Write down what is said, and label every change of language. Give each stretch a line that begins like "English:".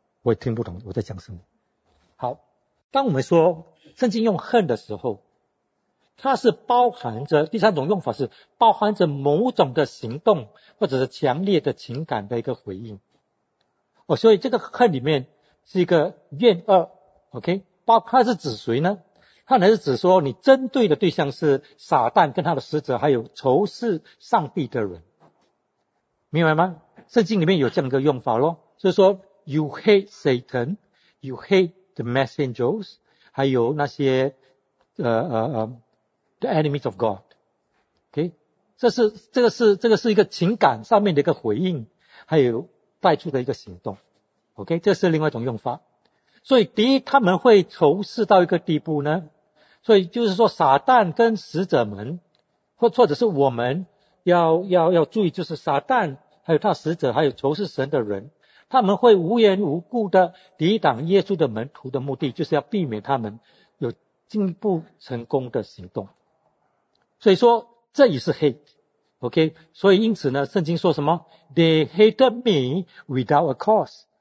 Chinese: 我也听不懂我在讲什么。好，当我们说圣经用恨的时候，它是包含着，第三种用法是包含着某种的行动或者是强烈的情感的一个回应。哦，所以这个恨里面是一个怨恶，
English: OK?
Chinese: 包括它是指谁呢？看来是指说你针对的对象是撒旦跟他的使者，还有仇视上帝的人，明白吗？圣经里面有这样一个用法咯，就是说
English: you hate Satan, you hate the messengers,
Chinese: 还有那些
English: the enemies of God, OK?
Chinese: 这个是一个情感上面的一个回应，还有带出的一个行动，
English: OK?
Chinese: 这是另外一种用法。所以第一，他们会仇视到一个地步呢，所以就是说撒旦跟使者们，或者是我们要注意，就是撒旦还有他使者还有仇视神的人，他们会无缘无故的抵挡耶稣的门徒的目的，就是要避免他们有进一步成功的行动。所以说这也是 hate,
English: OK?
Chinese: 所以因此呢，圣经说什么？
English: They hated me without a cause.